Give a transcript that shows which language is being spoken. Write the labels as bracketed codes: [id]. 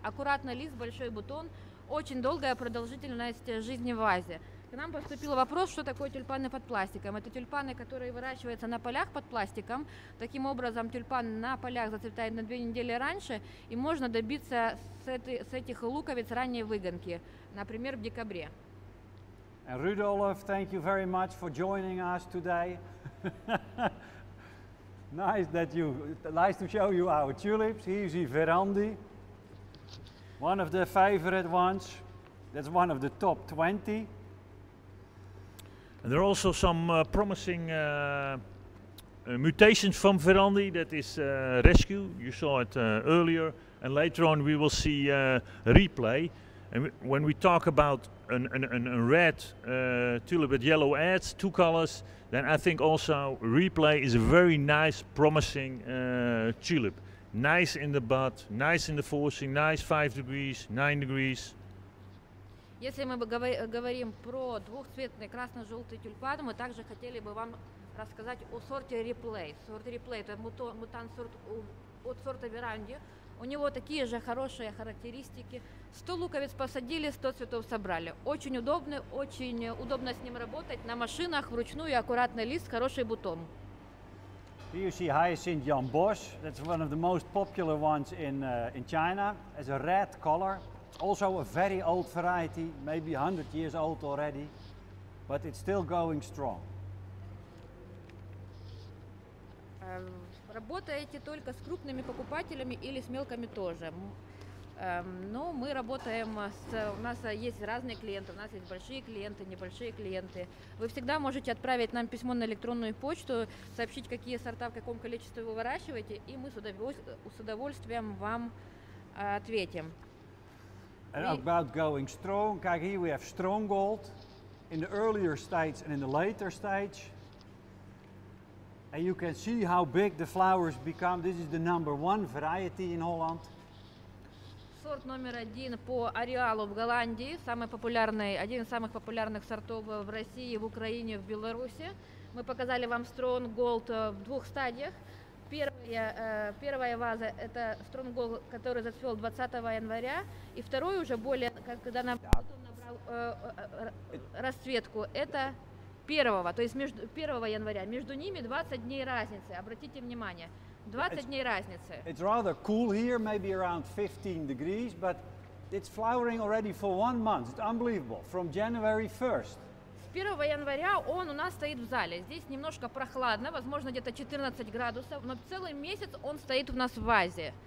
[ru] Аккуратный лист, большой бутон, очень долгая продолжительность жизни в вазе. К нам поступил вопрос, что такое тюльпаны под пластиком. Это тюльпаны, которые выращиваются на полях под пластиком. Таким образом, тюльпан на полях зацветает на 2 недели раньше, и можно добиться с этих луковиц ранней выгонки, например, в декабре. [en] Rudolf, thank you very much for joining us today. Nice to show you our tulips. Here's the Verandi, one of the favorite ones. That's one of the top 20. And there are also some promising mutations from Verandi that is rescue. You saw it earlier, and later on we will see replay. And when we talk about a red tulip with yellow edge, two colors, then I think also replay is a very nice, promising tulip. Nice in the bud, nice in the forcing, nice 5 degrees, 9 degrees. [ru] Если мы говорим про двухцветный красно-желтый тюльпан, мы также хотели бы вам рассказать о сорте replay. Сорт replay это мутант сорт от сорта Веранди. У него такие же хорошие характеристики. 100 луковиц посадили, 100 цветов собрали. Очень удобно с ним работать. На машинах, вручную, аккуратный лист, хороший бутон. [en] Here you see Hyacinth Jan Bosch. That's one of the most popular ones in China. It's a red color. Also a very old variety, maybe 100 years old already. But it's still going strong. [ru] Работаете только с крупными покупателями или с мелкими тоже? Ну, мы работаем с... У нас есть разные клиенты. У нас есть большие клиенты, небольшие клиенты. Вы всегда можете отправить нам письмо на электронную почту, сообщить, какие сорта, в каком количестве вы выращиваете, и мы с удовольствием вам ответим. [en] And about going strong. [nl] Kijk, [en] here we have strong gold in the earlier stage and in the later stage. And you can see how big the flowers become. This is the number one variety in Holland. [ru] Сорт номер один по ареалу в Голландии, самый популярный, один из самых популярных сортов в России, в Украине, в Беларуси. Мы показали вам Strong Gold в двух стадиях. Первая ваза – это Strong Gold, который зацвел 20 января, и второй уже более, когда нам набрал расцветку, это 1-го, то есть между 1 января. Между ними 20 дней разницы, обратите внимание. 20 дней разницы. [en] It's rather cool here, maybe around 15 degrees, but it's flowering already for one month. It's unbelievable. From January 1st. [ru] С 1 января он у нас стоит в зале. Здесь немножко прохладно, возможно, где-то 14 градусов, но целый месяц он стоит у нас в вазе.